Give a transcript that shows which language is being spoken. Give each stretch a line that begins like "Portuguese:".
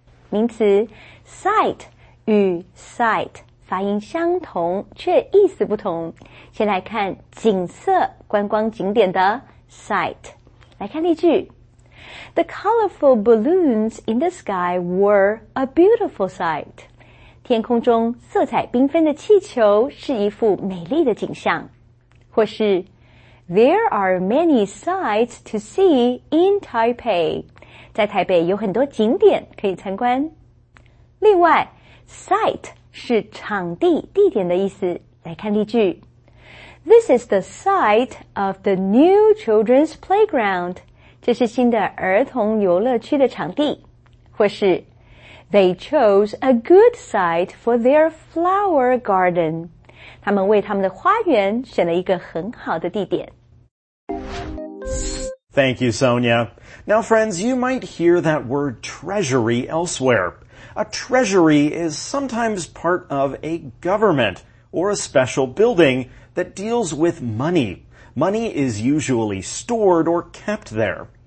Chinese: 名词 site 与 site 发音相同，却意思不同。先来看景色观光景点的 site。来看例句。
English: The colorful balloons in the sky were a beautiful sight.
Chinese: 天空中色彩缤纷的气球是一幅美丽的景象。或是
English: There are many sights to see in Taipei.
Chinese: 在台北有很多景点可以参观。另外 sight 是场地地点的意思。来看例句。
English: This is the site of the new children's playground.
Chinese: 这是新的儿童游乐区的场地，或是
English: They chose a good site for their flower garden.
Chinese: 他们为他们的花园选了一个很好的地点。
English: Thank you, Sonia. Now, friends, you might hear that word treasury elsewhere. A treasury is sometimes part of a government or a special building that deals with money. Money is usually stored or kept there.